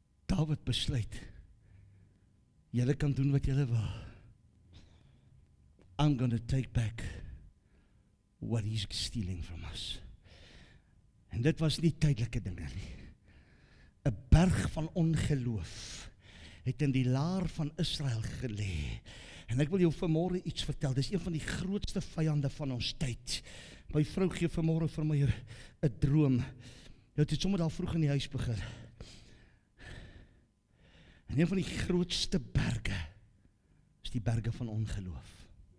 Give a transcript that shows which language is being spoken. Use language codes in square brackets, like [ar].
[af] David besluit, julle kan doen wat julle wil. [en] I'm going to take back what he's stealing from us. [af] En dit was nie tydelike dinge nie. 'N berg van ongeloof het in die laar van Israel gelê. En ek wil jou vanmôre iets vertel. Dis een van die grootste vyande van ons tyd. My vrou gee vanmôre vir my 'n droom. Jy het sommer daar vroeg in die huis begin. En een van die grootste berge is die berge van ongeloof.